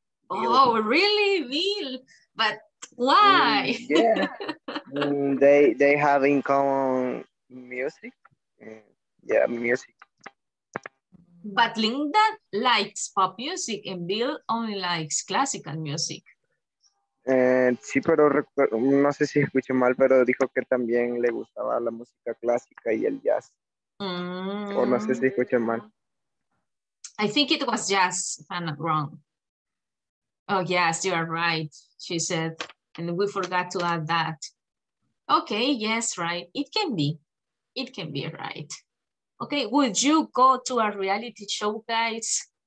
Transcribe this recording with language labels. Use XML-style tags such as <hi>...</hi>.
<en>Oh, really, Bill? But why? they have in common music. Music. But Linda likes pop music and Bill only likes classical music.</en> <es>Sí, pero no sé si escuché mal, pero dijo que también le gustaba la música clásica y el jazz. O no sé si escuché mal.</es> <en>I think it was jazz, if I'm not wrong. Oh, yes, you are right, she said. And we forgot to add that. Okay, yes, right. It can be. It can be right. Okay, would you go to a reality show, guys?</en>